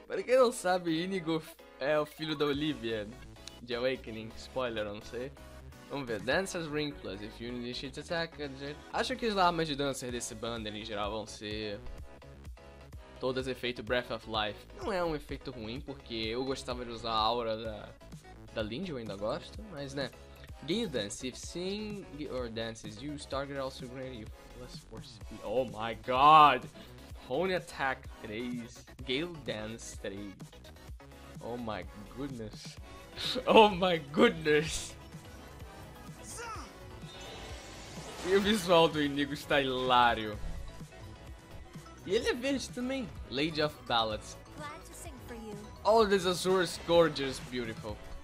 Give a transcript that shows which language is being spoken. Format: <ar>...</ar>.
<pt>Para quem não sabe, Indigo é o filho da Olivia de Awakening. Spoiler, eu não sei. Vamos ver, Dancer's Ring Plus,</pt> <en>if you initiate attack.</en> <pt>Acho que as armas de Dancer desse banner em geral vão ser todas efeito Breath of Life. Não é um efeito ruim, porque eu gostava de usar a aura da Lindy, eu ainda gosto, mas né.</pt> <en>Gale Dance, if sing or dance is used, target also granted plus 4 speed. Oh my god! Pony Attack 3, Gale Dance 3. Oh my goodness. Oh my goodness!</en> <pt>E o visual do Inigo está hilário. E ele é verde também. Lady of Ballads.</pt> <en>All this azure is gorgeous, beautiful.</en>